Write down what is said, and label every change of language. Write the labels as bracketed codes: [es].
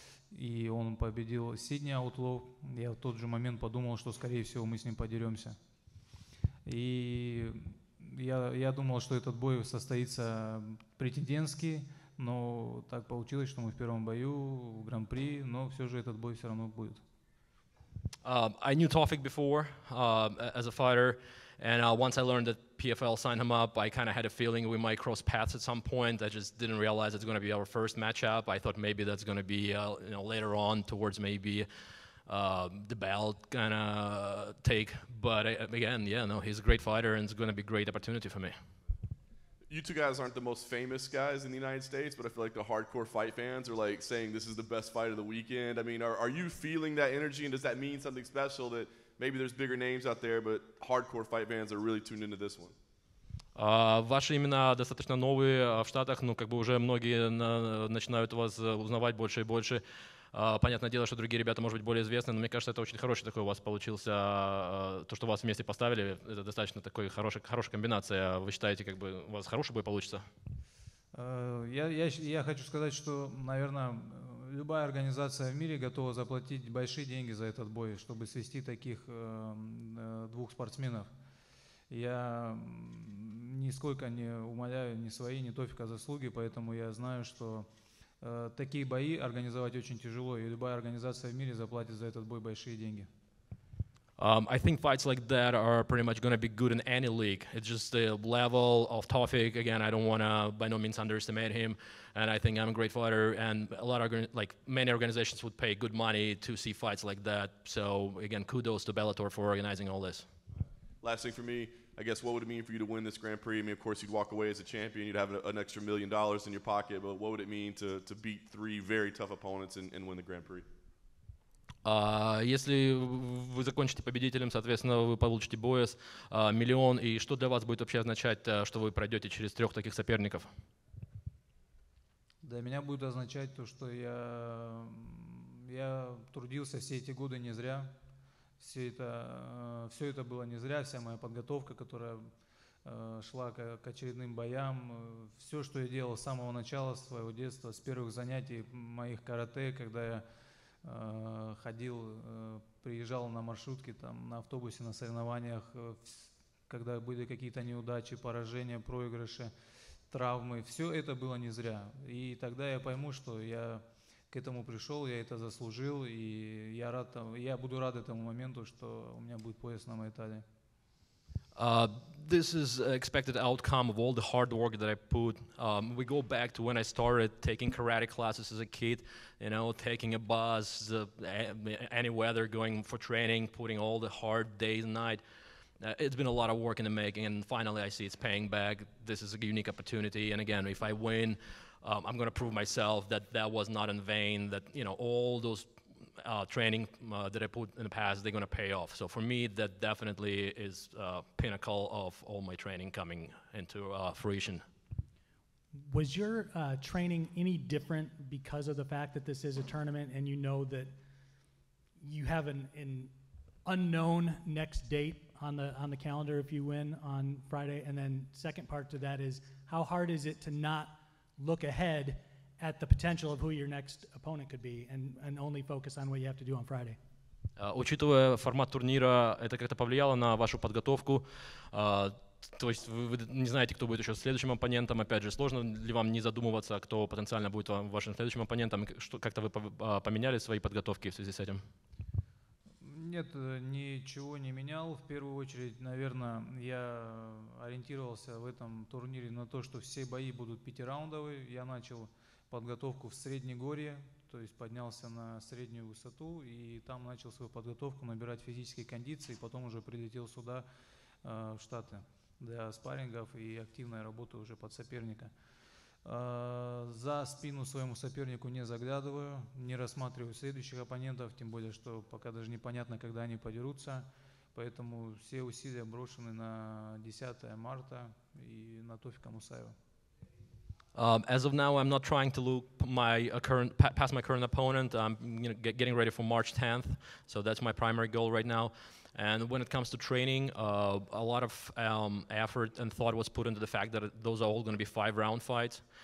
[ru] И он победил Сидни Аутло. Я в тот же момент подумал, что, скорее всего, мы с ним подеремся. И я думал, что этот бой состоится претендентский, но так получилось, что мы в первом бою, в гран-при, но все же этот бой все равно будет. [en] I knew Tofik before as a fighter, and once I learned that PFL signed him up, I kind of had a feeling we might cross paths at some point. I just didn't realize it's going to be our first matchup. I thought maybe that's going to be later on towards maybe the belt kind of take. But he's a great fighter, and it's going to be a great opportunity for me. You two guys aren't the most famous guys in the United States, but I feel like the hardcore fight fans are like saying this is the best fight of the weekend. I mean, are you feeling that energy, and does that mean something special that maybe there's bigger names out there, but hardcore fight fans are really tuned into this one? [ru] Ваши имена достаточно новые в Штатах, но как бы уже многие начинают вас узнавать больше и больше. Понятное дело, что другие ребята, может быть, более известны, но мне кажется, это очень хороший такой у вас получился, то, что вас вместе поставили, это достаточно такой хорошая комбинация. Вы считаете, как бы у вас хороший бой получится? Я хочу сказать, что, наверное, любая организация в мире готова заплатить большие деньги за этот бой, чтобы свести таких двух спортсменов. Я нисколько не умаляю ни свои, ни Тофика заслуги, поэтому я знаю, что такие бои организовать очень тяжело, и любая организация в мире заплатит за этот бой большие деньги. [en] I think fights like that are pretty much going to be good in any league. It's just the level of Tofik. Again, I don't want to by no means underestimate him, and I think I'm a great fighter, and a lot of many organizations would pay good money to see fights like that. So again, kudos to Bellator for organizing all this. Last thing for me, I guess, what would it mean for you to win this Grand Prix? I mean, of course, you'd walk away as a champion. You'd have an extra $1 million in your pocket. But what would it mean to beat three very tough opponents and win the Grand Prix? [ru] Если вы закончите победителем, соответственно, вы получите бонус миллион. И что для вас будет вообще означать, что вы пройдете через трех таких соперников? Для меня будет означать то, что я трудился все эти годы не зря. Все это было не зря, вся моя подготовка, которая шла к очередным боям. Все, что я делал с самого начала своего детства, с первых занятий моих карате, когда я ходил, приезжал на маршрутке, там, на автобусе, на соревнованиях, когда были какие-то неудачи, поражения, проигрыши, травмы. Все это было не зря. И тогда я пойму, что я к этому пришел, я это заслужил, и я рад, я буду рад этому моменту, что у меня будет пояс на Майтале. [en] This is expected outcome of all the hard work that I put. We go back to when I started taking karate classes as a kid, you know, taking a bus, any weather, going for training, putting all the hard days and night. It's been a lot of work in the making, and finally I see it's paying back. This is a unique opportunity, and again, if I win, I'm going to prove myself that that was not in vain, that, you know, all those training that I put in the past, they're going to pay off. So for me, that definitely is a pinnacle of all my training coming into fruition. Was your training any different because of the fact that this is a tournament and you know that you have an unknown next date on the calendar if you win on Friday? And then second part to that is, how hard is it to not look ahead at the potential of who your next opponent could be and only focus on what you have to do on Friday? [ru] Учитывая формат турнира, это как-то повлияло на вашу подготовку? То есть вы не знаете, кто будет еще следующим оппонентом? Опять же, сложно ли вам не задумываться, кто потенциально будет вашим следующим оппонентом? Как-то вы поменяли свои подготовки в связи с этим? Нет, ничего не менял. В первую очередь, наверное, я ориентировался в этом турнире на то, что все бои будут пятираундовые. Я начал подготовку в Среднегорье, то есть поднялся на среднюю высоту и там начал свою подготовку, набирать физические кондиции, потом уже прилетел сюда, в Штаты, для спаррингов и активной работы уже под соперника. За спину своему сопернику не заглядываю, не рассматриваю следующих оппонентов, тем более, что пока даже непонятно, когда они подерутся. Поэтому все усилия брошены на 10 марта и на Тофика Мусаева. [en] As of now, I'm not trying to look past my current opponent. I'm, you know, getting ready for March 10th, so that's my primary goal right now. And when it comes to training, a lot of effort and thought was put into the fact that those are all going to be five-round fights.